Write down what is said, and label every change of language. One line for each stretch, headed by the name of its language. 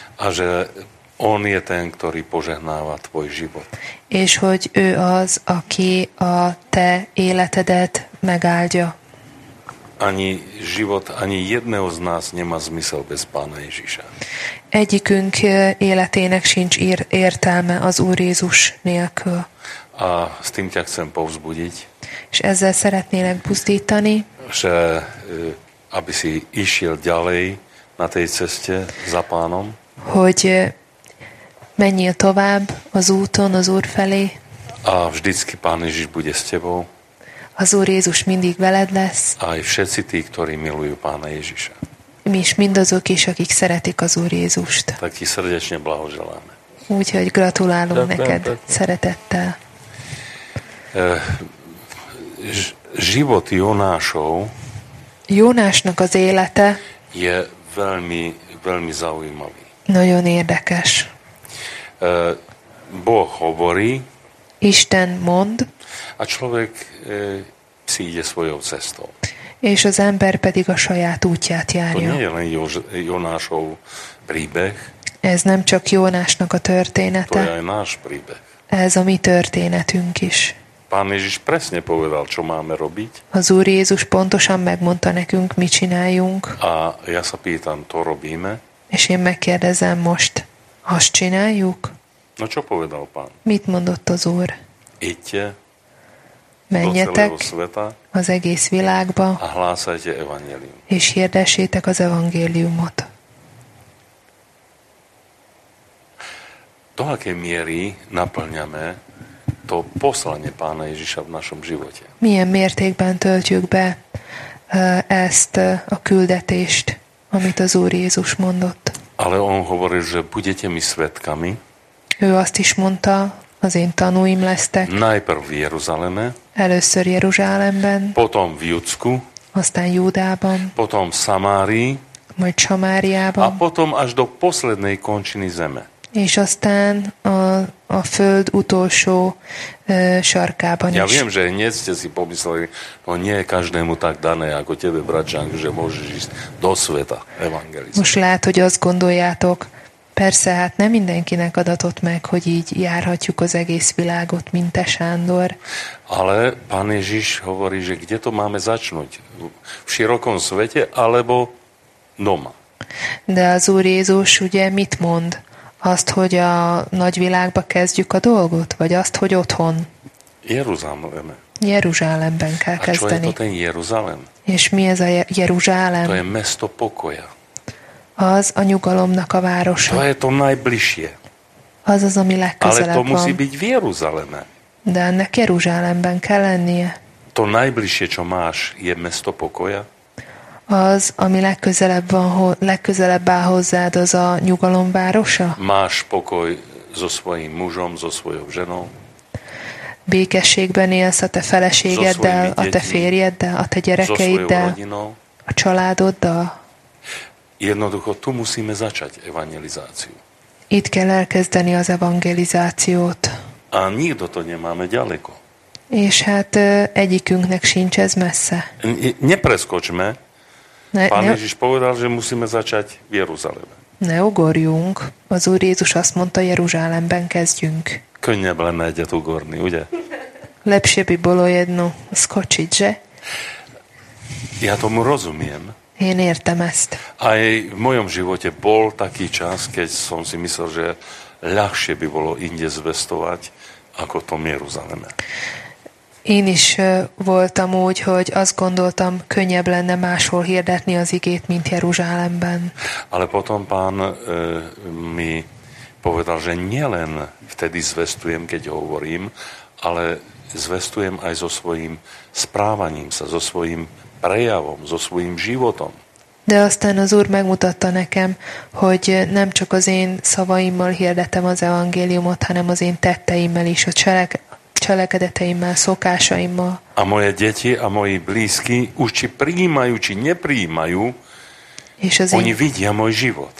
Slovak: A že on je ten, ktorý požehnáva tvoj život.
Hungarian: És hogy ő az, aki a te életedet megáldja.
Slovak: Ani život, ani jedného z nás nemá zmysel bez Pána Ježiša.
Hungarian: Egyikünk életének sincs értelme az Úr Jézus nélkül.
Slovak: A s tým ťa chcem povzbudiť.
Hungarian: És ezzel szeretnélek buzdítani.
Slovak: Že aby si išiel ďalej na tej ceste za Pánom?
Hungarian: Hogy menjél tovább az úton az Úr felé.
Slovak: A vždycky Pán Ježiš bude s tebou.
Hungarian: Az Úr Jézus mindig veled lesz.
Slovak: Aj všetci tí, ktorí milujú Pána Ježiša.
Hungarian: Mi is mindazok is, akik szeretik az Úr Jézust.
Slovak: Tak ti srdečne blahoželáme.
Hungarian: Úgyhogy gratulálunk neked szeretettel.
Slovak: Život Jonášov.
Hungarian: Jonásnak az élete
Slovak: je veľmi, veľmi zaujímavý.
Hungarian: Nagyon érdekes.
Slovak: Boh hovorí.
Hungarian: Isten mond.
Slovak: A človek si ide svojou cestou.
Hungarian: És az ember pedig a saját útját járja.
Slovak: To nie je len Jonášov príbeh.
Hungarian: Ez nem csak Jónásnak a története.
Slovak: To je aj náš príbeh.
Hungarian: Ez a mi történetünk is.
Slovak: Pán Ježiš presne povedal, čo máme robiť.
Hungarian: Az Úr Jézus pontosan megmondta nekünk, mi csináljunk.
Slovak: A ja sa pýtam, to robíme?
Hungarian: És én megkérdezem most, azt csináljuk?
Slovak: No čo povedal Pán?
Hungarian: Mit mondott az Úr?
Slovak: Idte.
Hungarian: Menjetek
Slovak: sveta,
Hungarian: az egész világba.
Slovak: A hlásajte evangélium.
Hungarian: És hirdessétek az evangéliumot.
Slovak: Do akej miery naplňame to poslanie Pána Ježiša v našom živote?
Hungarian: Milyen mértékben töltjük be ezt a küldetést, amit az Úr Jézus mondott.
Slovak: Ale on hovorí, že budete mi svedkami.
Hungarian: Ő azt is mondta, az én tanúim lesztek.
Slovak: Najprv v Jeruzaleme.
Hungarian: Először Jeruzsálemben.
Slovak: Potom v Judsku.
Hungarian: Aztán Júdában.
Slovak: Potom v Samárii.
Hungarian: Majd Samáriában.
Slovak: A potom až do poslednej končiny zeme.
Hungarian: És aztán a föld utolsó sarkában ja is.
Slovak: Ja viem, že hneď ste si pomysleli, no nie je každému tak dané, ako tebe, bratčank, že môžeš ísť do sveta, evangelizmus.
Hungarian: Most lehet, hogy azt gondoljátok, persze, hát nem mindenkinek adatott meg, hogy így járhatjuk az egész világot, mint te, Sándor.
Slovak: Ale Pán Ježiš hovorí, že kde to máme začnúť? V širokom svete, alebo doma?
Hungarian: De az Úr Jézus ugye mit mond? Azt, hogy a nagyvilágba kezdjük a dolgot? Vagy azt, hogy otthon? Jeruzsálembe. Jeruzsálemben kell a kezdeni.
Slovak: A čo je to ten Jeruzsálem?
Hungarian: És mi ez a Jeruzsálem?
Slovak: To je mesto pokoja.
Hungarian: Az a nyugalomnak a városa.
Slovak: To je to najbližšie.
Hungarian: Az az, ami legközelebb van.
Slovak: Ale to musí byť v Jeruzsáleme.
Hungarian: De ennek Jeruzsálemben kell lennie.
Slovak: To najbližšie, čo máš, je mesto pokoja.
Hungarian: Az, ami legközelebb van, legközelebb áll hozzád, az a nyugalom városa?
Slovak: Máš pokoj so svojím mužom, so svojou ženou?
Hungarian: Békességben élsz a te feleségeddel, a te férjeddel, a te gyerekeiddel, a családoddal?
Slovak: Jednoducho, tu musíme začať evangelizáciu.
Hungarian: Itt kell elkezdeni az evangelizációt.
Slovak: A nikto to nemáme ďaleko.
Hungarian: És hát egyikünknek sincs ez messze.
Slovak: Nepreskočme. Pán Ježiš povedal, že musíme začať v Jeruzaleme.
Hungarian: Ne ugorjunk. Az Úr Jézus azt mondta, Jeruzsálemben kezdjünk. Könnyebb lenne egyet ugorni, ugye?
Slovak: Lepšie by bolo jedno skočiť, že? Ja tomu rozumiem.
Hungarian: Én értem ezt.
Slovak: Aj v mojom živote bol taký čas, keď som si myslel, že ľahšie by bolo inde zvestovať, ako v tom Jeruzaleme.
Hungarian: Én is voltam úgy, hogy azt gondoltam, könnyebb lenne máshol hirdetni az igét, mint Jeruzsálemben.
Slovak: Ale potom Pán mi povedal, že nielen vtedy zvestujem, keď hovorím, ale zvestujem aj so svojím správaním sa, so svojím prejavom, so svojím životom.
Hungarian: De aztán az Úr megmutatta nekem, hogy nem csak az én szavaimmal hirdetem az evangéliumot, hanem az én tetteimmel is, a cselekedeteimmel, szokásaimmal.
Slovak: A moje deti a moji blízki už či prijímajú, či neprijímajú, oni vidia môj život.